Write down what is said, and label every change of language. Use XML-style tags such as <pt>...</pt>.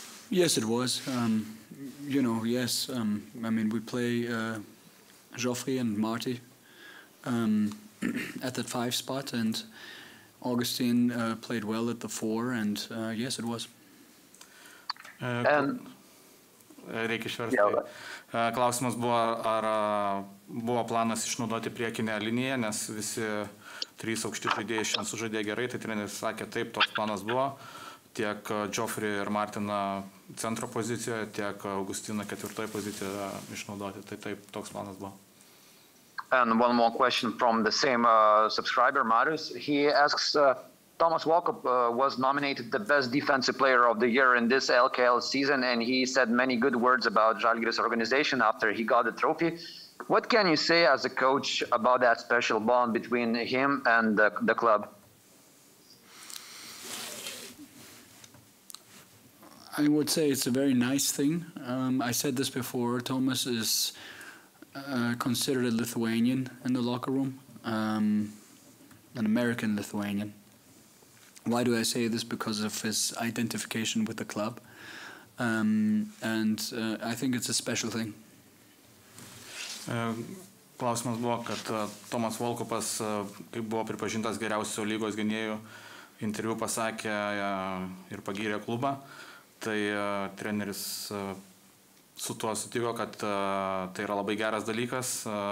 <en>Yes, it was. We play Geoffrey and Marty at that five spot, and Augustin played well at the four, and yes, it was.</en> <lt>Reikia išversti. Klausimas buvo, ar buvo planas išnaudoti priekinę liniją, nes visi trys aukšti žaidėjai šiandien sužaidė gerai, tai treneris sakė, taip, toks planas buvo. Tiek Geoffrey ir Martina centro pozicijoje, tiek Augustina ketvirtoje pozicijoje išnaudoti, tai taip, toks planas buvo.</lt> <en>And one more question from the same subscriber, Marius. He asks, Thomas Walkup was nominated the best defensive player of the year in this LKL season, and he said many good words about Žalgiris organization after he got the trophy. What can you say as a coach about that special bond between him and the club? I would say it's a very nice thing. I said this before, Thomas is considered a Lithuanian in the locker room, an American Lithuanian. Why do I say this? Because of his identification with the club, I think it's a special thing.</en> <lt>Klausimas buvo, kad Tomas Volkupas, kaip buvo pripažintas geriausio lygos gynėjų, interviu pasakė ir pagyrė klubą, tai treneris su tuo sutiko, kad tai yra labai geras dalykas.</lt>